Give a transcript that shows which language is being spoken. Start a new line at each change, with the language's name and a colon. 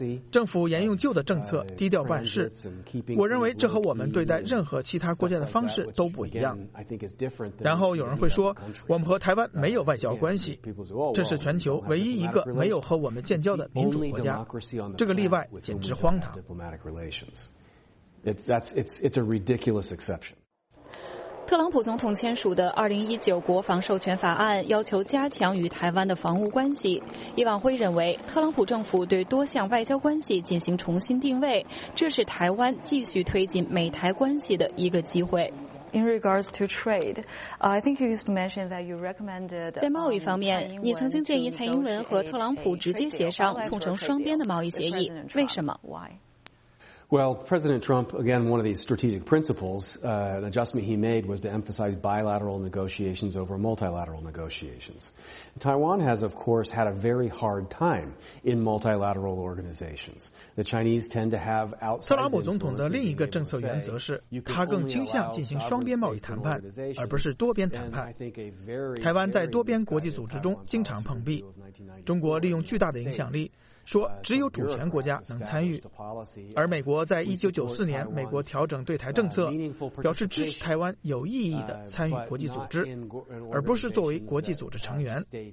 Chinese: 政府沿用旧的政策，低调办事。我认为这和我们对待任何其他国家的方式都不一样。然后有人会说，我们和台湾没有外交关系，这是全球唯一一个没有和我们建交的民主国家，这个例外简直荒唐。
English: It's a ridiculous exception.
Chinese: 特朗普总统签署的2019国防授权法案要求加强与台湾的防务关系。以往会认为特朗普政府对多项外交关系进行重新定位，这是台湾继续推进美台关系的一个机会。
English: In regards to trade, I think you used to mention that you recommended.
Chinese: 在贸易方面，你曾经建议蔡英文和特朗普直接协商，促成双边的贸易协议。为什么
English: ？Why? Well, President Trump, again, one of these strategic principles, an adjustment he made was to emphasize bilateral negotiations over multilateral negotiations. Taiwan has, of course, had a very hard time in multilateral organizations. The Chinese tend to have outside.
Chinese: 特朗普总统的另一个政策原则是，他更倾向进行双边贸易谈判，而不是多边谈判。台湾在多边国际组织中经常碰壁，中国利用巨大的影响力。说只有主权国家能参与，而美国在1994年美国调整对台政策，表示支持台湾有意义的参与国际组织，而不是作为国际组织成员。